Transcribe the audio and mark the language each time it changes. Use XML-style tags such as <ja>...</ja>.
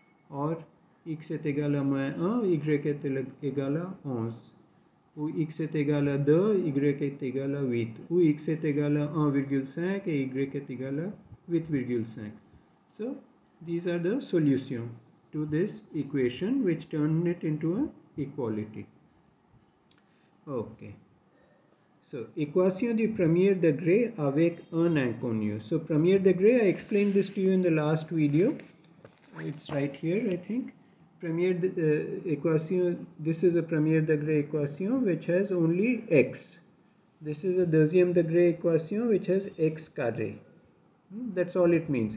<fr>Or, x est égal à moins 1, y est égal à 11. Ou x est égal à 2, y est égal à 8. Ou x est égal à 1,5 et y est égal à 8,5.</fr> <en>So, these are the solution to this equation which turn it into an equality. Okay.</en> <fr>So, équation du premier degré avec un inconnu.</fr> <en>So, premier degré, I explained this to you in the last video. It's right here, I think. This is a premier degré equation which has only x. This is a deuxième degré equation which has x carré. That's all it means.</en>